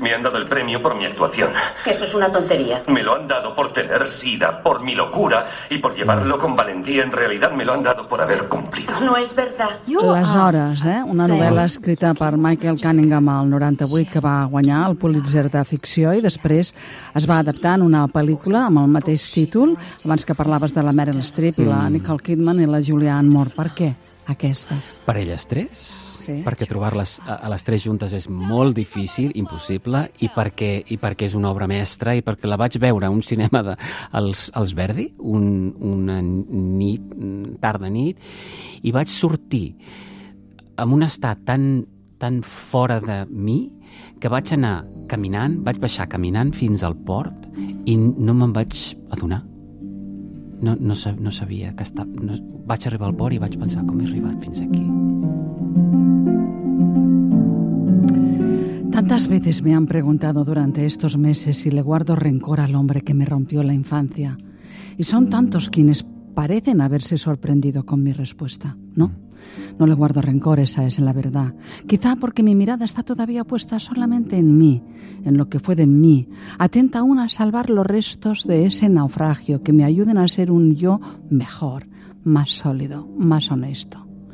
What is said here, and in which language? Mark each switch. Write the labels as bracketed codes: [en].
[es] Me han dado el premio por mi actuación. Eso es una tontería. Me lo han dado por tener sida, por mi locura y por llevarlo con valentía. En realidad me lo han dado por haber cumplido. No es verdad. [ca] Les Hores, una novel·la escrita per Michael Cunningham al 98 que va guanyar el Pulitzer de ficció i després es va adaptar en una pel·lícula amb el mateix títol, abans que parlaves de la Meryl Streep i la Nicole Kidman i la Julianne Moore. Per què aquestes? Per elles tres? perquè trobar-les a les tres juntes és molt difícil, impossible, i perquè és una obra mestra, i perquè la vaig veure a un cinema dels Verdi, una nit, tarda nit, i vaig sortir amb un estat tan fora de mi que vaig anar caminant, vaig baixar caminant fins al port i no me'n vaig adonar. No sabia que estava... No, vaig arribar al port i vaig pensar com he arribat fins aquí. [es] Tantas veces me han preguntado durante estos meses si le guardo rencor al hombre que me rompió la infancia. Y son tantos quienes parecen haberse sorprendido con mi respuesta, ¿no? No le guardo rencor, esa es la verdad. Quizá porque mi mirada está todavía puesta solamente en mí, en lo que fue de mí, atenta aún a salvar los restos de ese naufragio que me ayuden a ser un yo mejor, más sólido, más honesto.